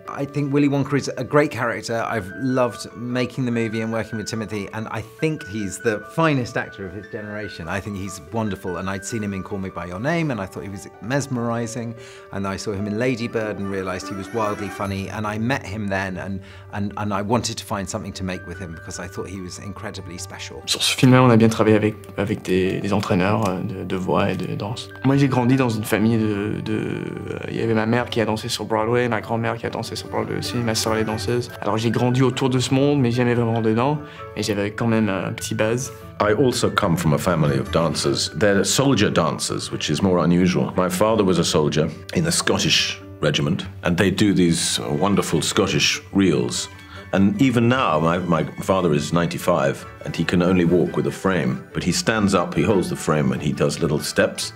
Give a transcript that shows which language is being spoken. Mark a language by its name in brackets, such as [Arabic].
[English] I think Willy Wonka is a great character. I've loved making the movie and working with Timothy, and I think he's the finest actor of his generation. I think he's wonderful, and I'd seen him in Call Me By Your Name, and I thought he was mesmerizing, and I saw him in Lady Bird and realized he was wildly funny, and I met him then, and I wanted to find something to make with him because I thought he was incredibly special. [French] Sur ce film-là, on a bien travaillé avec des entraîneurs de voix et de danse. Moi, j'ai grandi dans une famille de... Il y avait ma mère qui a dansé sur Broadway, ma grand-mère qui a dansé sur Broadway aussi, ma soeur est danseuse. Alors j'ai grandi autour de ce monde, mais jamais vraiment dedans, mais j'avais quand même un petit base. [English] I also come from a family of dancers. They're soldier dancers, which is more unusual. My father was a soldier in the Scottish regiment, and they do these wonderful Scottish reels. And even now, my father is 95, and he can only walk with a frame, but he stands up, he holds the frame, and he does little steps.